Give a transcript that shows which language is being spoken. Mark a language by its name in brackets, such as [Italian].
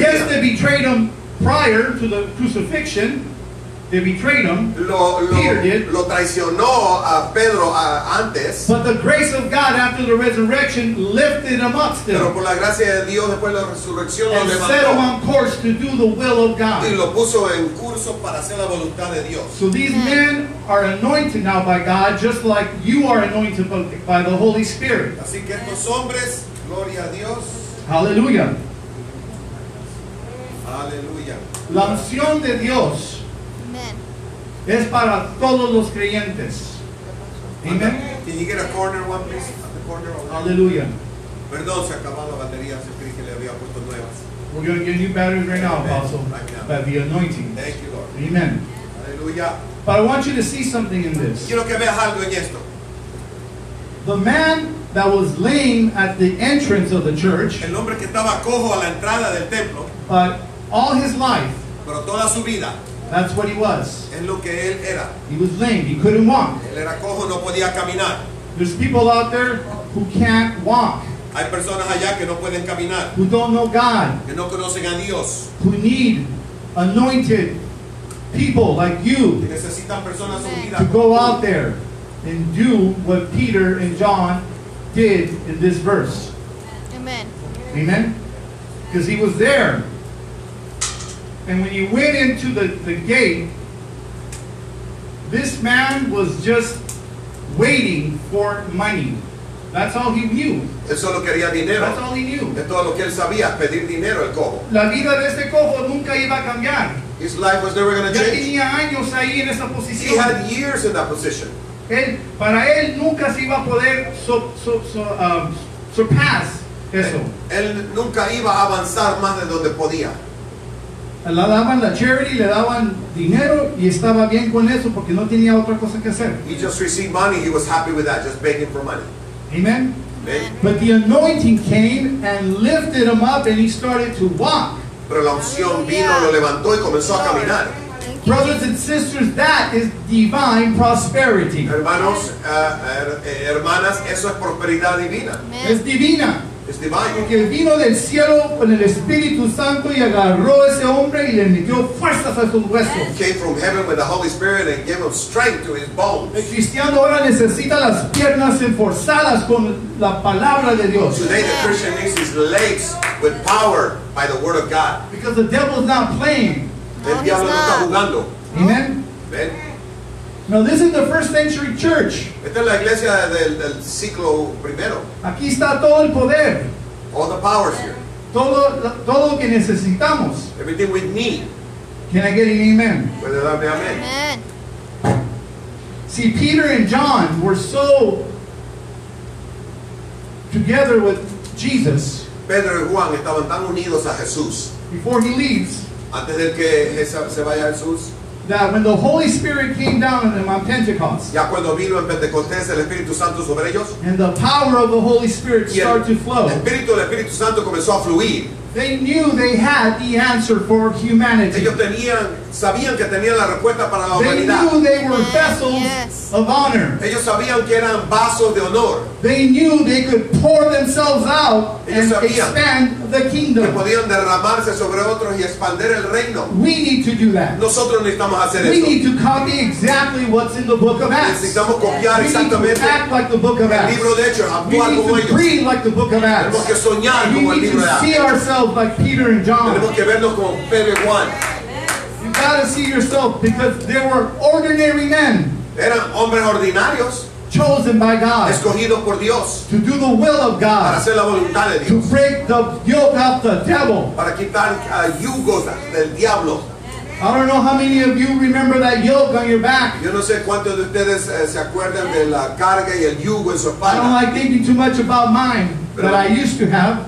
[English] Yes, they betrayed him prior to the crucifixion. They betrayed him. Peter did. [Spanish] Lo traicionó a Pedro antes. [English] But the grace of God after the resurrection lifted him up still. [Spanish] Pero por la gracia de Dios después de la resurrección lo levantó. [English] And set him on course to do the will of God. [Spanish] Y lo puso en curso para hacer la voluntad de Dios. [English] So these men are anointed now by God, just like you are anointed by the Holy Spirit. [Spanish] Así que estos hombres, gloria a Dios. [English] Hallelujah. Hallelujah. [Spanish] La unción de Dios es para todos los creyentes. [English] Amen. Can you get a corner one, please? At the corner. [Spanish] Aleluya. Perdón, se acabó la batería. Se cree que le había puesto nuevas. [English] We're going to get new batteries right now, Apostle, by the anointing. Thank you, Lord. Amen. Hallelujah. But I want you to see something in this. [Spanish] Quiero que veas algo en esto. [English] The man that was lame at the entrance of the church, [Spanish] el hombre que estaba cojo a la entrada del templo, [English] but all his life, [Spanish] pero toda su vida, [English] that's what he was. [Spanish] Es lo que él era. [English] He was lame. He couldn't walk. [Spanish] Él era cojo, no podía caminar. [English] There's people out there who can't walk. [Spanish] Hay personas allá que no pueden caminar. [English] Who don't know God. [Spanish] Que no conocen a Dios. [English] Who need anointed people like you. [Spanish] Que necesitan personas en su vida. [English] To go out there and do what Peter and John did in this verse. Amen. Amen. Because he was there. And when he went into the gate, this man was just waiting for money. That's all he knew. [Spanish] Eso lo quería dinero. [English] That's all he knew. [Spanish] De todo lo que él sabía, pedir dinero el cojo. La vida de este cojo nunca iba a cambiar. [English] His life was never going to change. [Spanish] Ya tenía años ahí en esa posición. [English] He had years in that position. [Spanish] Él, para él nunca se iba a poder surpass eso. Él nunca iba a avanzar más de donde podía. Le daban la charity, le daban dinero y estaba bien con eso porque no tenía otra cosa que hacer. [English] He just received money, he was happy with that, just begging for money. Amen. But the anointing came and lifted him up and he started to walk. [Spanish] Pero la unción vino, lo levantó y comenzó a caminar. [English] Brothers and sisters, that is divine prosperity. [Spanish] Hermanos, hermanas, eso es prosperidad divina. Es divina. Es divina. Porque vino del cielo con el Espíritu Santo y agarró a ese hombre y le metió fuerzas a sus huesos. [English] Came from heaven with the Holy Spirit and gave him strength to his bones. [Spanish] El cristiano ahora necesita las piernas enforzadas con la palabra de Dios. [English] Today the Christian needs his legs with power by the word of God. Because the devil is not playing. [Spanish] El diablo no está jugando. [English] Amen. [Spanish] Ven. [English] Now this is the first century church. [Spanish] Esta es la iglesia del siglo primero. Aquí está todo el poder. [English] All the powers here. [Spanish] Todo lo que necesitamos. [English] Everything we need. Can I get an amen? [Spanish] Puede darme amén. Amen. [English] See, Peter and John were so together with Jesus. [Spanish] Pedro y Juan estaban tan unidos a Jesús. [English] Before he leaves. [Spanish] Antes de que se vaya Jesús. [English] That when the Holy Spirit came down on them on Pentecost, [Spanish] ya cuando vino en Pentecostés el Espíritu Santo sobre ellos, [English] and the power of the Holy Spirit started to flow, [Spanish] el Espíritu Santo comenzó a fluir. [English] They knew they had the answer for humanity. [Spanish] Ellos sabían que tenían la respuesta para la humanidad. [English] They knew they were vessels of honor. [Spanish] Ellos sabían que eran vasos de honor. [English] They knew they could pour themselves out [Spanish] ellos [English] and expand the kingdom. [Spanish] Que podían derramarse sobre otros y expandir el reino. [English] We need to do that. [Spanish] Nosotros necesitamos hacer [English] we [Spanish] eso. [English] We need to copy exactly what's in the book of Acts. [Spanish] Necesitamos copiar exactamente. [English] We need to act like the book of Acts. [Spanish] El libro de Hechos, [English] we need to dream like the book of Acts. [Spanish] Tenemos que soñar [English] we [Spanish] como el libro de Acts. [English] We need to see ourselves like Peter and John. [Spanish] Tenemos que vernos como Pedro y Juan. [English] You gotta see yourself because they were ordinary men. [Spanish] Eran hombres ordinarios. [English] Chosen by God. [Spanish] Escogidos por Dios. [English] To do the will of God. [Spanish] Para hacer la voluntad de Dios. [English] To break the yoke of the devil. [Spanish] Para quitar yugos del diablo. [English] I don't know how many of you remember that yoke on your back. [Spanish] Yo no sé cuántos de ustedes se acuerdan de la carga y el yugo en su espalda. [English] I don't like thinking too much about mine that I used to have.